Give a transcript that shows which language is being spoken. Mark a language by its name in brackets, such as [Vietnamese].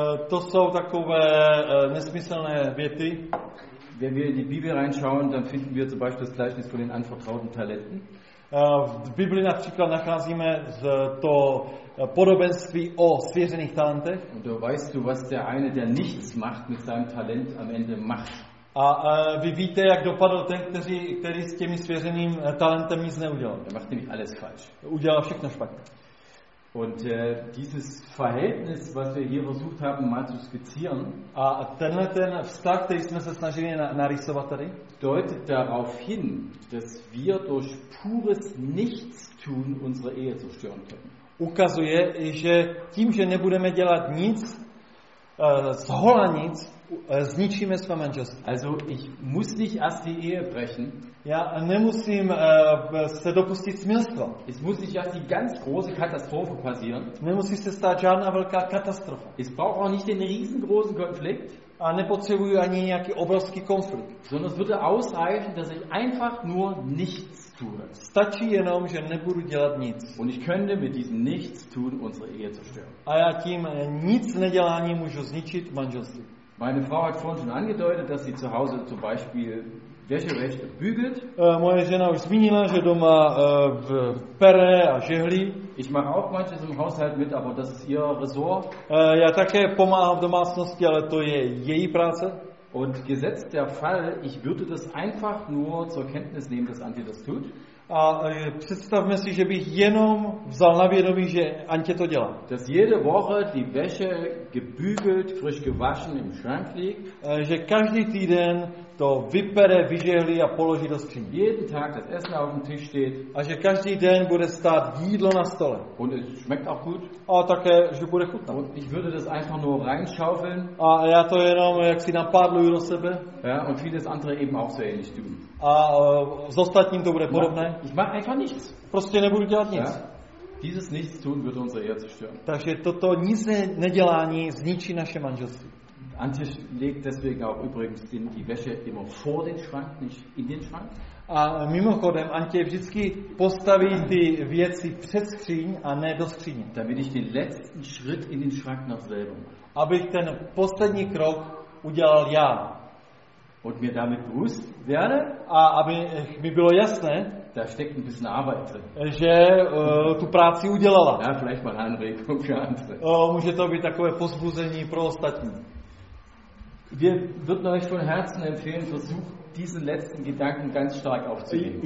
[Czech] To jsou takové nesmyslné věty. [German] Wenn wir in die Bibel reinschauen, dann finden wir zum Beispiel das Gleichnis von den anvertrauten Talenten. [Czech] V Biblii například nacházíme to podobenství o svěřených talentech. [German] Und du weißt du, was der eine, der nichts macht mit seinem Talent, am Ende macht. [Czech] A vy víte, jak dopadl ten, který s těmi svěřeným talentem nic neudělal. [German] Er macht nämlich alles falsch. [Czech] Udělal všechno špatně. [German] Und dieses Verhältnis, was wir hier versucht haben, mal zu skizzieren, [Czech] a tenhle ten vztah, který jsme se snažili narýsovat tady, [German] deutet darauf hin, dass wir durch pures Nichtstun unsere Ehe zerstören können. [Czech] ukazuje, že tím, že nebudeme dělat nic, z hola nic, zničíme své manželství. [German] Also ich muss nicht erst die Ehe brechen. [Czech] Ja, nemusím se dopustit smilstva. [German] Es muss nicht erst die ganz große Katastrophe passieren. [Czech] Nemusí se stát žádná velká katastrofa. [German] Es braucht auch nicht den riesengroßen Konflikt. [Czech] A nepotřebuju ani nějaký obrovský konflikt. [German] Sondern es würde ausreichen, dass ich einfach nur nichts tue. [Czech] Stačí jenom, že nebudu dělat nic. [German] Und ich könnte mit diesem Nichtstun unsere Ehe zerstören. [Czech] A já tím nic neděláním můžu zničit manželství. [German] Meine Frau hat vorhin schon angedeutet, dass sie zu Hause zum Beispiel Wäsche bügelt. [Czech] Moje žena už zmínila, že doma pere a žehlí. [German] Ich mache auch manches im Haushalt mit, aber das ist ihr Ressort. [Czech] Já také pomáhám v domácnosti, ale to je její práce. [German] Und gesetzt der Fall, ich würde das einfach nur zur Kenntnis nehmen, dass Antje das tut. [Czech] A představme si, že bych jenom vzal na vědomí, že Antje to dělá. [German] Dass jede Woche die Wäsche gebügelt, frisch gewaschen im Schrank liegt. [Czech] Že každý týden to vypere, vyžehlí a položí do skříně. [German] Jeden Tag das Essen auf dem Tisch steht. [Czech] A že každý den bude stát jídlo na stole. [German] Und es schmeckt auch gut. [Czech] A také, že bude chutná. [German] Und ich würde das einfach nur reinschaufeln. [Czech] A já to jenom jaksi napádluju do sebe. [German] Ja, und vieles andere eben auch so ähnlich tun. [Czech] A s ostatním to bude podobné. [German] Ich mache einfach nichts. [Czech] Prostě nebudu dělat nic. Ja. [German] Dieses Nichtstun würde unsere Ehe zerstören. [Czech] Takže toto nic nedělání zničí naše manželství. [German] Antje legt deswegen auch übrigens die Wäsche immer vor den Schrank, nicht in den Schrank. [Czech] A mimochodem, Antje vždycky postaví ty věci před skříň a ne do skříně. [German] Damit ich den letzten Schritt in den Schrank noch selber mache. [Czech] Abych ten poslední krok udělal já. [German] Und mir damit bewusst werde. [Czech] A aby mi bylo jasné, [German] da steckt ein bisschen Arbeit drin. [Czech] Že tu práci udělala. [German] Ja, vielleicht mal Anregung für andere. [Czech] Může to být takové pozbuzení pro ostatní. [German] Wir würden euch von Herzen empfehlen, versucht diesen letzten Gedanken ganz stark aufzunehmen.